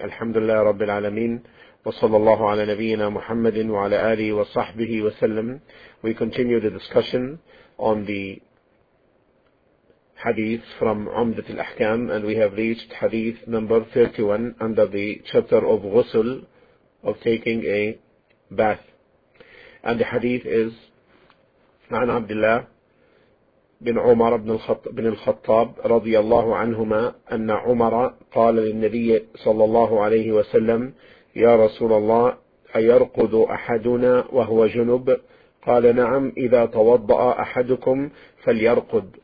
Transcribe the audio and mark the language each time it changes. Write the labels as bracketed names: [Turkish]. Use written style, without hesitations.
[Arabic] الحمد لله رب العالمين، وصلى الله على نبينا محمد وعلى آله وصحبه وسلم. [English] We continue the discussion on the hadith from عمدة الأحكام, and we have reached hadith number 31 under the chapter of غسل, of taking a bath. And the hadith is [Arabic] عن عبد الله بن عمر بن الخطاب رضي الله عنهما أن عمر قال للنبي صلى الله عليه وسلم يا رسول الله أيرقد أحدنا وهو جنب؟ قال نعم إذا توضأ أحدكم فليرقد.